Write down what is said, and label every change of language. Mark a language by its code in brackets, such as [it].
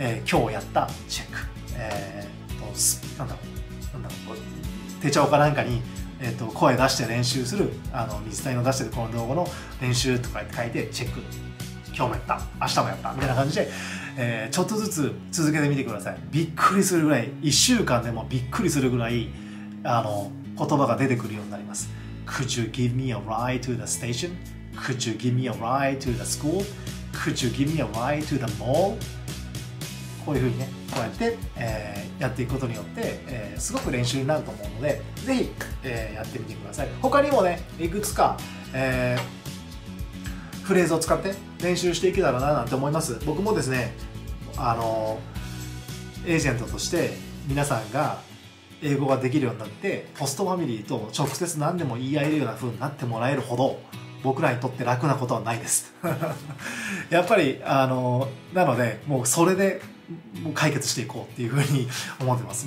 [ja] 今日やったチェック、手帳かなんかに、声出して練習する、あの水谷の出してるこの動画の練習とか書いてチェック、今日もやった明日もやったみたいな感じで、ちょっとずつ続けてみてください。びっくりするぐらい、1週間でもびっくりするぐらい、あの言葉が出てくるようになります。 [en] Could you give me a ride to the station? Could you give me a ride to the school? Could you give me a ride to the mall? [ja] こういうふうにね、こうやって、やっていくことによって、すごく練習になると思うので、ぜひ、やってみてください。他にもね、いくつか、フレーズを使って練習していけたらななんて思います。僕もですね、エージェントとして皆さんが英語ができるようになって、ホストファミリーと直接何でも言い合えるような風になってもらえるほど僕らにとって楽なことはないですやっぱりなので、もうそれでもう解決していこうっていう風に思ってます。